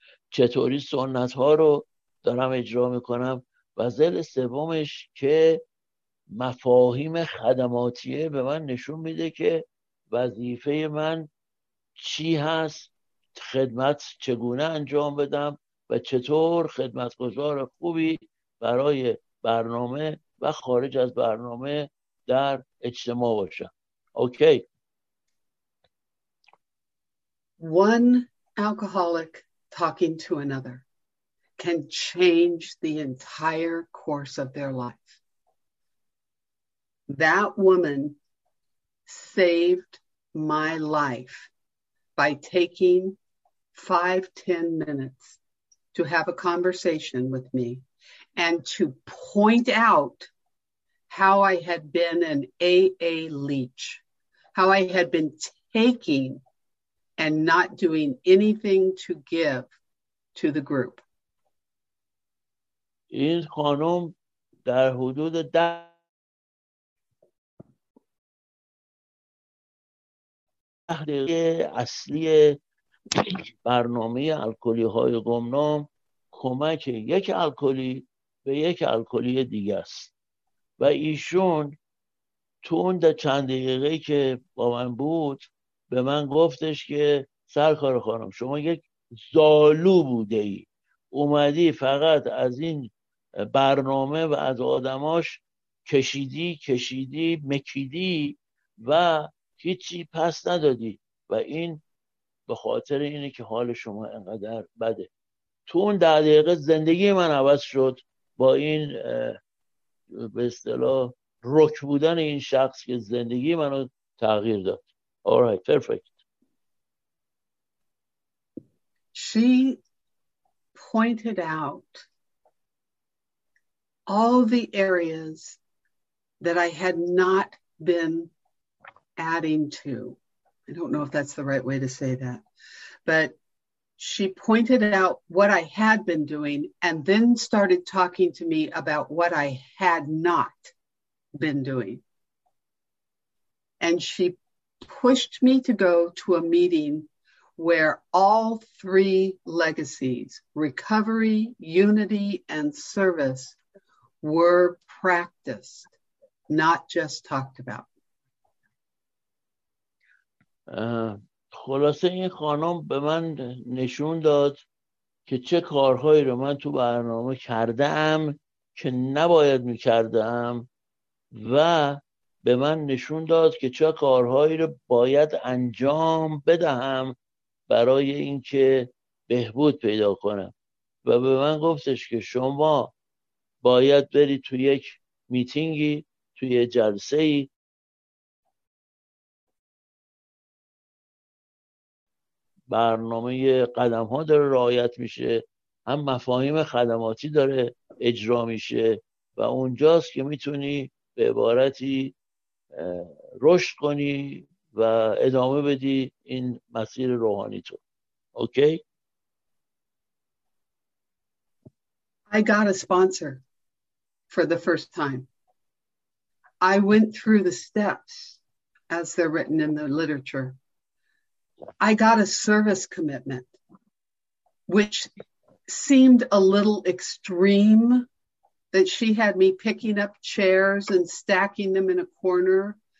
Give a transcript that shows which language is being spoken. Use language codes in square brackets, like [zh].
[fa] چطوری سنت ها رو دارم اجرا میکنم، و ذیل سومش که مفاهیم خدماتیه به من نشون میده که وظیفه من چی هست، خدمت چگونه انجام بدم و چطور خدمتگزار خوبی برای برنامه و خارج از برنامه در اجتماع باشم. [en] Okay. One alcoholic talking to another can change the entire course of their life. That woman saved my life by taking 5-10 minutes to have a conversation with me and to point out how I had been an AA leech, how I had been taking and not doing anything to give to the group. [fa] این خانم در حدود 10 دقیقه اصلی برنامه الکلی های گمنام کمک یک الکلی به یک الکلی دیگه است و ایشون تو اون چند دقیقه که با من بود به من گفتش که سرکار خانم شما یک زالو بوده ای، اومدی فقط از این برنامه و از آدماش کشیدی کشیدی مکیدی و هیچی پس ندادی و این به خاطر اینه که حال شما انقدر بده. تو اون 10 دقیقه زندگی من عوض شد با این به اصطلاح رک بودن این شخص که زندگی منو تغییر داد. [en] All right, perfect. She pointed out all the areas that I had not been adding to, I don't know if that's the right way to say that, but she pointed out what I had been doing and then started talking to me about what I had not been doing. And she pushed me to go to a meeting where all three legacies, recovery, unity, and service, were practiced, not just talked about. [fa] خلاصه این خانم به من نشون داد که چه کارهایی رو من تو برنامه کردم که نباید میکردم و به من نشون داد که چه کارهایی رو باید انجام بدهم برای اینکه بهبود پیدا کنم و به من گفتش که شما باید بری تو یک میتینگی، توی یک جلسه ای برنامه قدم ها داره رعایت میشه، هم مفاهیم خدماتی داره اجرا میشه و اونجاست که میتونی به عبارتی رشد کنی و ادامه بدی این مسیر روحانی تو. [en] Okay? I got a sponsor for the first time. I went through the steps as they're written in the literature. I got a service commitment, which seemed a little extreme, that she had me picking up chairs and stacking them in a corner.